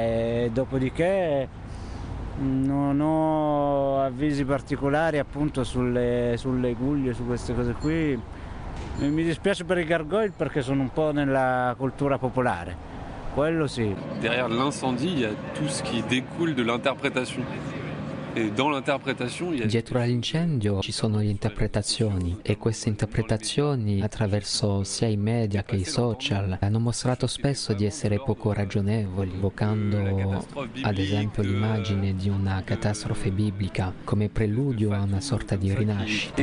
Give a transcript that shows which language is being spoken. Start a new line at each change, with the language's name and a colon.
Italian: E dopodiché non ho avvisi particolari, appunto, sulle guglie, su queste cose qui. Mi dispiace per i gargoyle, perché sono un po' nella cultura popolare, quello sì.
French: Derrière l'incendio il y a tout ce qui découle de l'interprétation.
Italian: Dietro all'incendio ci sono le interpretazioni, e queste interpretazioni, attraverso sia i media che i social, hanno mostrato spesso di essere poco ragionevoli, evocando ad esempio l'immagine di una catastrofe biblica come preludio a una sorta di rinascita.